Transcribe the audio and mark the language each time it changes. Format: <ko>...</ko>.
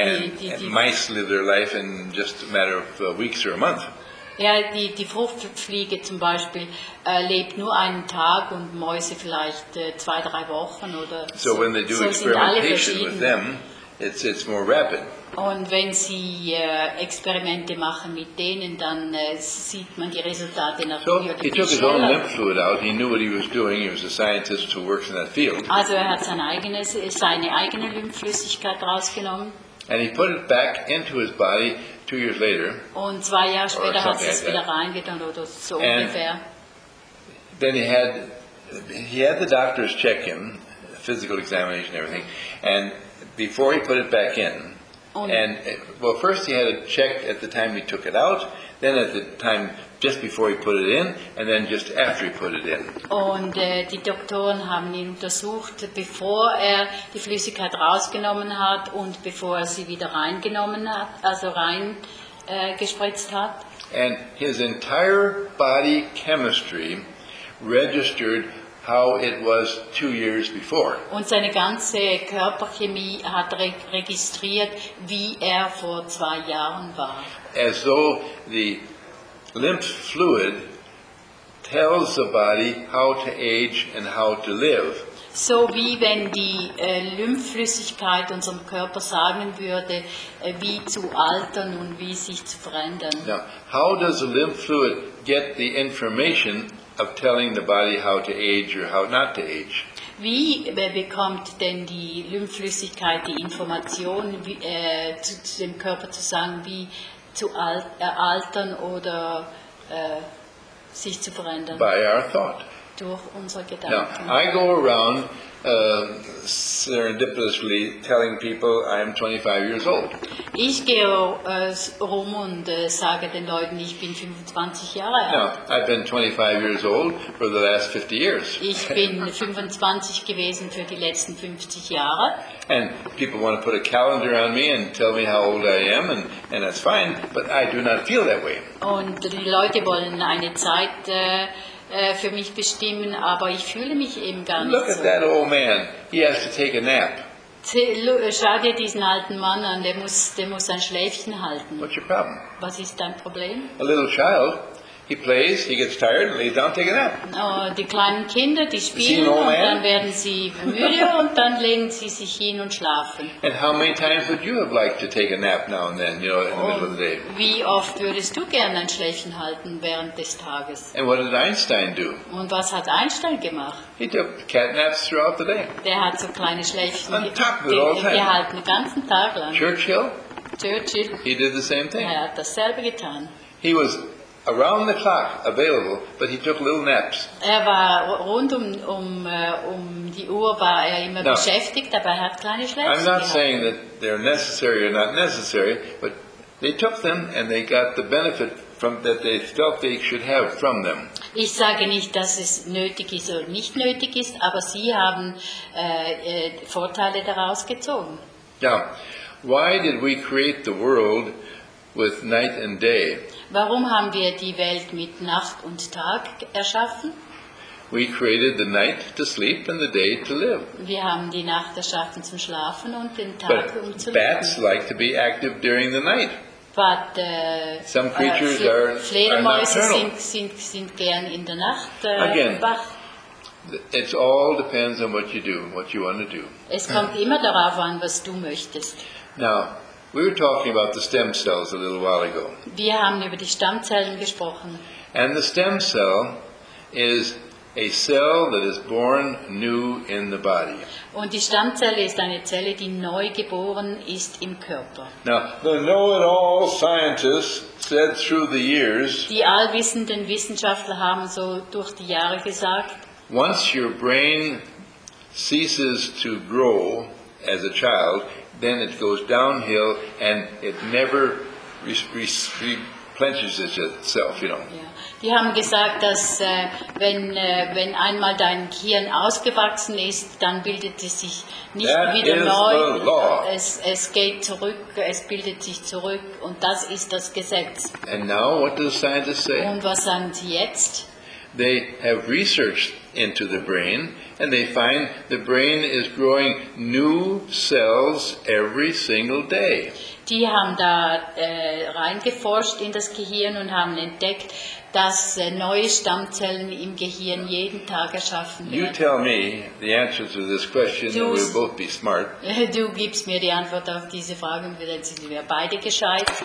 <en>and mice live their life in just a matter of weeks or a month.</en> <de>Ja, die Fruchtfliege zum Beispiel lebt nur einen Tag und Mäuse vielleicht 2-3 Wochen oder so.</de> <en>So when they do experimentation with them, it's more rapid.</en> <de>Und wenn sie Experimente machen mit denen, dann sieht man die Resultate nach</de> <en>so he took his own lymph fluid out. He knew what he was doing. He was a scientist who works in that field.</en> <de>Also er hat seine eigene Lymphflüssigkeit rausgenommen.</de> <en>And he put it back into his body 2 years later.</en> <de>Und 2 Jahre später hat es wieder reingetan oder so ungefähr.</de> <en>Then he had the doctors check him, physical examination, everything. And before he put it back in, first he had it checked at the time he took it out, then at the time just before he put it in, and then just after he put it in.</en> <de>Und die Doktoren haben ihn untersucht, bevor er die Flüssigkeit rausgenommen hat und bevor er sie wieder reingenommen hat, also reingespritzt hat.</de> <en>And his entire body chemistry registered how it was 2 years before.</en> <de>Und seine ganze Körperchemie hat registriert, wie er vor 2 Jahren war.</de> <en>As though the lymph fluid tells the body how to age and how to live.</en> <de>So wie wenn die Lymphflüssigkeit unserem Körper sagen würde, wie zu altern und wie sich zu verändern.</de> <en>Now, how does the lymph fluid get the information of telling the body how to age or how not to age?</en> <de>Wie bekommt denn die Lymphflüssigkeit die Information zu dem Körper zu sagen, wie zu altern oder sich zu verändern?</de> <en>By our thought.</en> <de>durch unsere Gedanken.</de> <en>Now, I go around serendipitously telling people I am 25 years old.</en> <de>Ich gehe rum und sage den Leuten, ich bin 25 Jahre alt.</de> <en>Now, I've been 25 years old for the last 50 years.</en> <de>Ich bin 25 gewesen für die letzten 50 Jahre.</de> <en>And people want to put a calendar on me and tell me how old I am, and that's fine, but I do not feel that way.</en> <de>Und die Leute wollen eine Zeit für mich bestimmen, aber ich fühle mich eben gar nicht so.</de> <en>Look at that old man. He has to take a nap.</en> <de>Schau dir diesen alten Mann an, der muss ein Schläfchen halten.</de> <en>What's your problem?</en> <de>Was ist dein Problem?</de> <en>A little child. He plays, he gets tired, and lays down, take a nap.</en> <de>Oh, die kleinen Kinder, die spielen, und dann werden sie müde und dann legen sie sich hin und schlafen.</de> <en>And how many times would you have liked to take a nap now and then, you know, in the middle of the day?</en> <de>Wie oft würdest du gerne ein Schläfchen halten während des Tages?</de> <en>And what did Einstein do?</en> <de>Und was hat Einstein gemacht?</de> <en>He took cat naps throughout the day.</en> <de>Der hat so kleine Schläfchen gehalten, den ganzen Tag lang.</de> <en>Churchill. He did the same thing.</en> <de>Er hat dasselbe getan.</de> <en>He was around the clock available, but he took little naps.</en> <de>Er war rund um die Uhr war er immer</de> <en>Now,</en> <de>beschäftigt, aber er hat kleine Schläfchen.</de> <en>I'm not</en> <de>gehabt.</de> <en>Saying that they're necessary or not necessary, but they took them and they got the benefit from that they felt they should have from them.</en> <de>Ich sage nicht, dass es nötig ist oder nicht nötig ist, aber sie haben Vorteile daraus gezogen.</de> <en>Now, why did we create the world with night and day?</en> <de>Warum haben wir die Welt mit Nacht und Tag erschaffen?</de> <en>We created the night to sleep and the day to live.</en> <de>Wir haben die Nacht erschaffen zum Schlafen und den Tag</de> <en>But</en> <de>um zu leben.</de> <en>Bats like to be active during the night. But some creatures</en> <de>Fledermäuse sind gern in der Nacht wach.</de> <en>It all depends on what you do, what you want to do.</en> <de>Es kommt immer darauf an, was du möchtest.</de> <en>Now, we were talking about the stem cells a little while ago.</en> <de>Wir haben über die Stammzellen gesprochen.</de> <en>And the stem cell is a cell that is born new in the body.</en> <de>Und die Stammzelle ist eine Zelle, die neu geboren ist im Körper.</de> <en>Now, the know-it-all scientists said through the years.</en> <de>Die allwissenden Wissenschaftler haben so durch die Jahre gesagt.</de> <en>Once your brain ceases to grow as a child, then it goes downhill and it never replenishes itself, you know. Yeah.</en> <de>Die haben gesagt, dass wenn einmal dein Gehirn ausgewachsen ist, dann bildet es sich nicht</de> <en>that</en> <de>wieder neu.</de> <en>The law.</en> <de>Es geht zurück, es bildet sich zurück und das ist das Gesetz.</de> <en>And now what do the scientists say?</en> <de>Und was sagen sie jetzt?</de> <en>They have researched into the brain and they find the brain is growing new cells every single day.</en> <de>Die haben da reingeforscht in das Gehirn und haben entdeckt, dass neue Stammzellen im Gehirn jeden Tag erschaffen werden.</de> <en>You tell me the answer to this question and we'll both be smart.</en> <de>Du gibst mir die Antwort auf diese Frage und dann sind wir beide gescheit.</de>